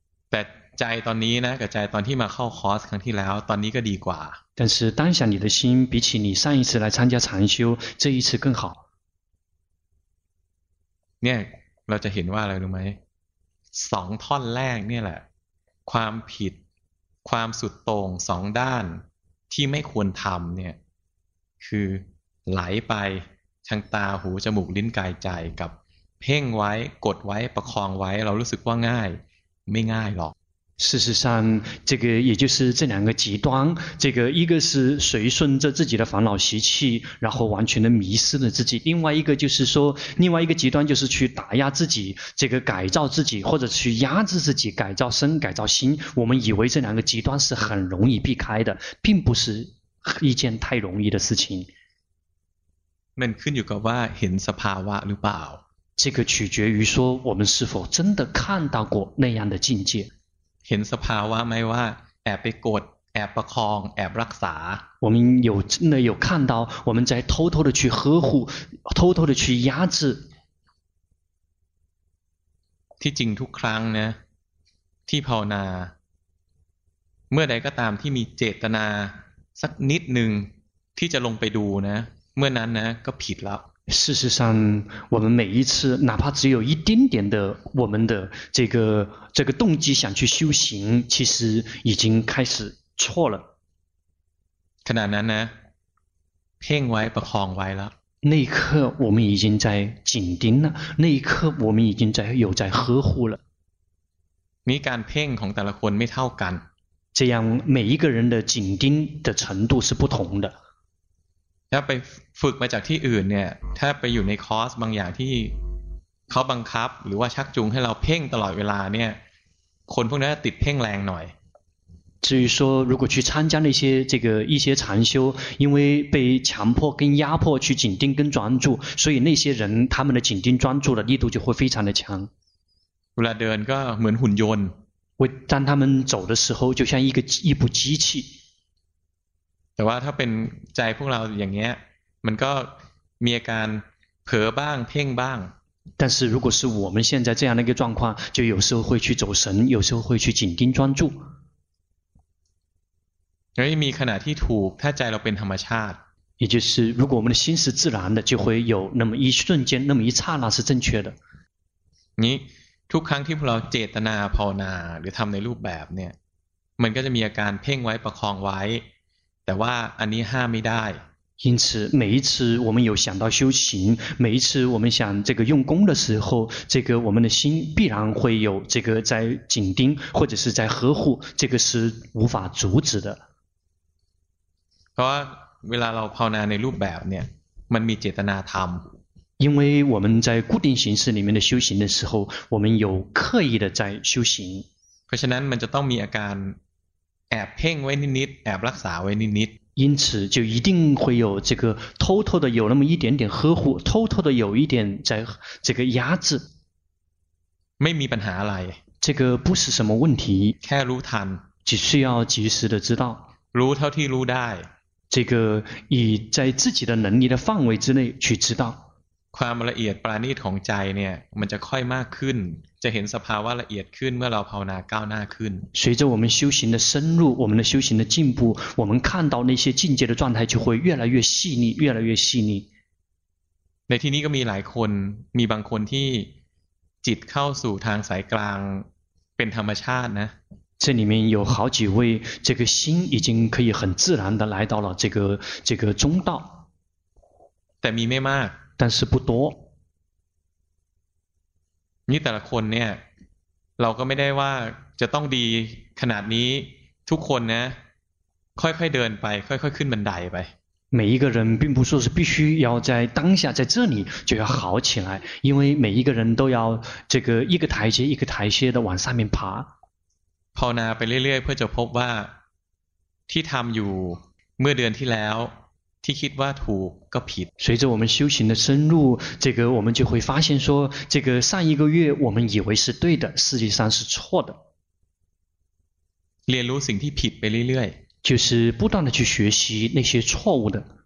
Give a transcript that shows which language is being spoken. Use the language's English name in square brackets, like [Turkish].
[Thai] แต่ใจตอนนี้นะกับใจตอนที่มาเข้าคอร์สครั้งที่แล้วตอนนี้ก็ดีกว่า [Chinese] 但是当下你的心比起你上一次来参加禅修这一次更好 [Thai] เนี่ยเราจะเห็นว่าอะไรรู้ไหมสองท่อนแรกเนี่ยแหละความผิดความสุดโต่งสองด้านที่ไม่ควรทำเนี่ยคือไหลไปทางตาหูจมูกลิ้นกายใจกับเพ่งไว้กดไว้ประคองไว้เรารู้สึกว่าง่ายไม่ง่ายหรอก [Chinese] 事实上，这个也就是这两个极端，这个一个是随顺着自己的烦恼习气，然后完全的迷失了自己；另外一个就是说，另外一个极端就是去打压自己，这个改造自己，或者去压制自己，改造身、改造心。我们以为这两个极端是很容易避开的，并不是一件太容易的事情。 [Thai] 那ขึ้นอยู่กับว่าเห็นสภาวะหรือเปล่า？ [Chinese] 这个取决于说我们是否真的看到过那样的境界。 [Thai] เห็นสภาวะไหมว่าแอบไปกดแอบประคองแอบรักษา [Chinese] 我们有真的有看到我们在偷偷的去呵护偷偷的去压制 [Thai] ที่จริงทุกครั้งนะที่ภาวนาเมื่อใดก็ตามที่มีเจตนาสักนิดหนึ่งที่จะลงไปดูนะเมื่อนั้นนะก็ผิดแล้ว [Chinese] 事实上我们每一次哪怕只有一丁点的我们的这个动机想去修行其实已经开始错了 [Thai] ขณะนั้นนะเพ่งไว้ประคองไว้แล้ว [Chinese] 那一刻我们已经在紧盯了那一刻我们已经在有在呵护了 [Thai] มีการเพ่งของแต่ละคนไม่เท่ากัน [Chinese] 这样每一个人的紧盯的程度是不同的 [Thai] ถ้าไปฝึกมาจากที่อื่นเนี่ยถ้าไปอยู่ในคอร์สบางอย่างที่เขาบังคับหรือว่าชักจูงให้เราเพ่งตลอดเวลาเนี่ยคนพวกนั้นติดเพ่งแรงหน่อย [Chinese] 至于说如果去参加那些这个一些禅修因为被强迫跟压迫去紧盯跟专注所以那些人他们的紧盯专注的力度就会非常的强 [Thai] เวลาเดินก็เหมือนหุ่นยนต์ [Chinese] 会当他们走的时候就像一部机器 [Thai] แต่ว่าถ้าเป็นใจพวกเราอย่างเงี้ยมันก็มีอาการเผลอบ้างเพ่งบ้าง [Chinese] 但是如果是我们现在这样的一个状况就有时候会去走神有时候会去紧盯专注 [Thai] แล้วมีขณะที่ถูกถ้าใจเราเป็นธรรมชาติ [Chinese] 也就是如果我们的心是自然的就会有那么一瞬间那么一刹那是正确的 [Thai] นี่ทุกครั้งที่พวกเราเจตนาภาวนาหรือทำในรูปแบบเนี่ยมันก็จะมีอาการเพ่งไว้ประคองไว้แต่ว่าอันนี้ห้ามไม่ได้ [Chinese] 因此每一次我们有想到修行每一次我们想这个用功的时候这个我们的心必然会有这个在紧盯或者是在呵护这个是无法阻止的 [Thai] เพราะเวลาเราภาวนาในรูปแบบเนี่ยมันมีเจตนาธรรม [Chinese] 因为我们在固定形式里面的修行的时候我们有刻意的在修行 [Thai] เพราะฉะนั้นมันจะต้องมีอาการแอบเพ่งไว้นิดๆแอบรักษาไว้นิด [Chinese] ๆ因此就一定会有这个偷偷的有那么一点点呵护偷偷的有一点在这个压制 [Thai] ไม่มีปัญหาอะไร [Chinese] 这个不是什么问题 [Thai] แค่รู้ทัน [Chinese] 只需要及时的知道 [Thai] รู้เท่าที่รู้ได้ [Chinese] 这个以在自己的能力的范围之内去知道 [Thai] ความละเอียดปราณีตของใจเนี่ยมันจะค่อยมากขึ้นจะเห็นสภาวะละเอียดขึ้นเมื่อเราภาวนาก้าวหน้าขึ้น [Chinese] 随着我们修行的深入我们的修行的进步我们看到那些境界的状态就会越来越细腻越来越细腻 [Thai] ในที่นี้ก็มีหลายคนมีบางคนที่จิตเข้าสู่ทางสายกลางเป็นธรรมชาตินะ [Chinese] 这里面有好几位这个心已经可以很自然的来到了这个中道 [Thai] แต่มีไม่มาก [Chinese] 但是不多 [Thai] นี่แต่ละคนเนี่ยเราก็ไม่ได้ว่าจะต้องดีขนาดนี้ทุกคนนะค่อยๆเดินไปค่อยๆขึ้นบันไดไป [Chinese] 每一个人并不说是必须要在当下在这里就要好起来因为每一个人都要这个一个台阶一个台阶的往上面爬 [Thai] ภาวนาไปเรื่อยๆเพื่อจะพบว่าที่ทำอยู่เมื่อเดือนที่แล้วที่คิดว่าถูกก็ผิด [Chinese] 随着我们修行的深入这个我们就会发现说这个上一个月我们以为是对的实际上是错的 [Thai] เรียนรู้สิ่งที่ผิดไปเรื่อย [Chinese] ๆ就是不断的去学习那些错误的